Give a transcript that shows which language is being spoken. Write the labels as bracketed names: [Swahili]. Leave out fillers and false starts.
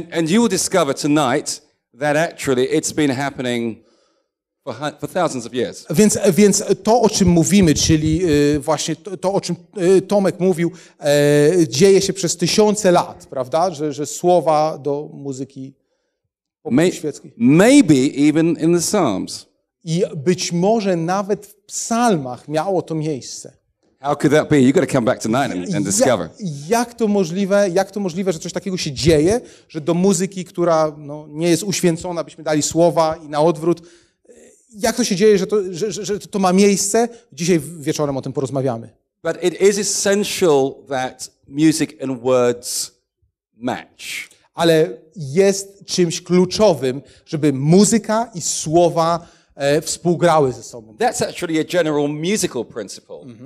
[English] And you will discover tonight that actually it's been happening for thousands of years. [Polish] Więc to, o czym mówimy, czyli właśnie to, o czym Tomek mówił, dzieje się przez tysiące lat, prawda, że słowa do muzyki świeckiej. [English] Maybe even in the Psalms. [Polish] I być może nawet w psalmach miało to miejsce. [English] How could that be? You got to come back tonight and discover. [Polish] Jak to możliwe, że coś takiego się dzieje, że do muzyki, która no, nie jest uświęcona, byśmy dali słowa i na odwrót. Jak to się dzieje, że to ma miejsce? Dzisiaj wieczorem o tym porozmawiamy. [English] But it is essential that music and words match. [Polish] Ale jest czymś kluczowym, żeby muzyka i słowa współgrały ze sobą. [English] That's actually a general musical principle.